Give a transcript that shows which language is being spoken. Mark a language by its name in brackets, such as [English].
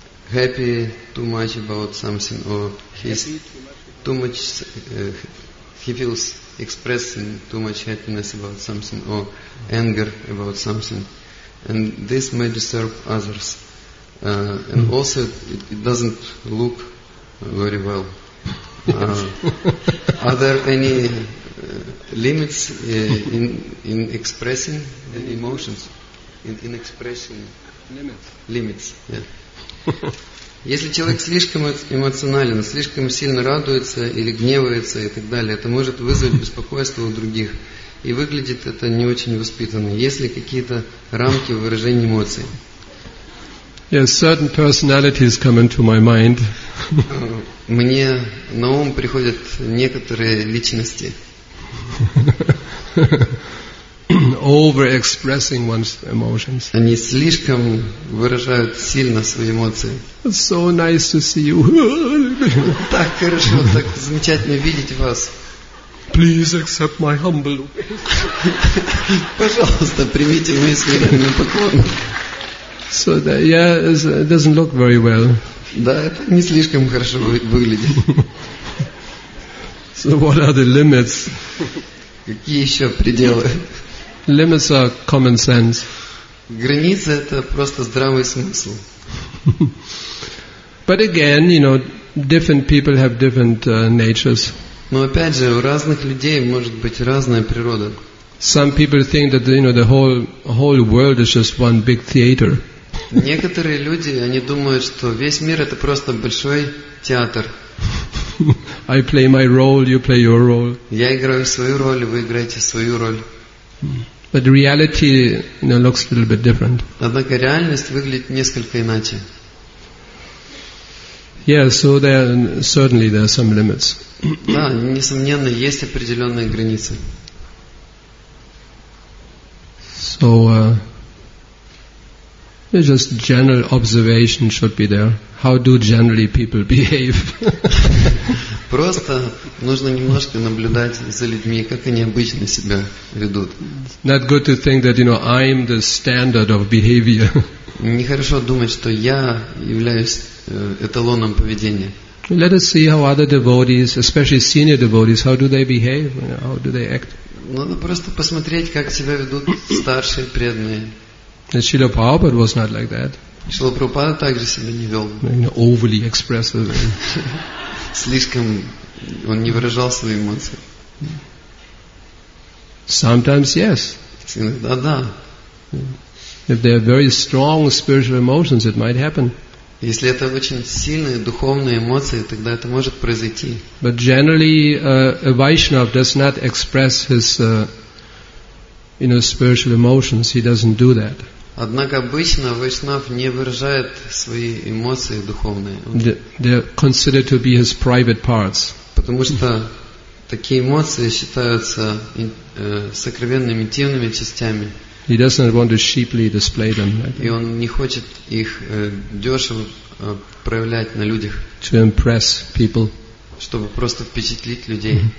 [English] happy too much about something, or he's too much, he feels expressing too much happiness about something, or anger about something, and this may disturb others, and also it doesn't look very well. Are there any limits in expressing the emotions? In expression limits. Yeah. [Russian] Если человек слишком эмоционален, слишком сильно радуется или гневается и так далее, это может вызвать беспокойство у других. И выглядит это не очень воспитанно. Есть ли какие-то рамки выражения эмоций? [English] Yes, certain personalities come into my mind. [Russian] Мне на ум приходят некоторые личности. [English] Overexpressing one's emotions. [Russian] Они слишком выражают сильно свои эмоции. [English] It's so nice to see you. [Russian] Так хорошо, так замечательно видеть вас. [English] Please accept my humble obeisance. [Russian] Пожалуйста, примите мой смиренный поклон. [English] So that, yeah, it doesn't look very well. [Russian] Да, это не слишком хорошо выглядит. [English] So what are the limits? [Russian] Какие еще пределы? [English] Limits are common sense. [Russian] Границы — это просто здравый смысл. [English] But again, you know, different people have different natures. [Russian] Но опять же, у разных людей может быть разная природа. [English] Some people think that, you know, the whole world is just one big theater. [Russian] Некоторые люди, они думают, что весь мир — это просто большой театр. [English] I play my role, you play your role. [Russian] Я играю свою роль, вы играете свою роль. [English] But reality, you know, looks a little bit different. [Russian] Однако реальность выглядит несколько иначе. [English] Yeah, so there certainly there are some limits. [Russian] Да, несомненно, есть определенные границы. [English] So it's just general observation should be there. How do generally people behave? [Russian] Просто нужно немножко наблюдать за людьми, как они обычно себя ведут. [English] Not good to think that, you know, I'm the standard of behavior. [Russian] Нехорошо думать, что я являюсь эталоном поведения. [English] Let us see how other devotees, especially senior devotees, how do they behave, how do they act. [Russian] Надо просто посмотреть, как себя ведут старшие преданные. [English] Шрила Прабхупада was not like that. [Russian] Шрила Прабхупада также себя не вел. [English] Overly expressive. [Russian] Слишком он не выражал свои эмоции. [English] Sometimes yes. [Russian] Иногда да. [English] If there are very strong spiritual emotions, it might happen. [Russian] Если это очень сильные духовные эмоции, тогда это может произойти. [English] But generally, a Vaishnav does not express his, you know, spiritual emotions. He doesn't do that. [Russian] Однако обычно Вайшнав не выражает свои эмоции духовные. [English] They are considered to be his private parts. [Russian] Потому что такие эмоции считаются сокровенными, интимными частями. [English] He doesn't want to sheeply display them. [Russian] И он не хочет их дешево проявлять на людях. [English] To impress people. [Russian] Чтобы просто впечатлить людей.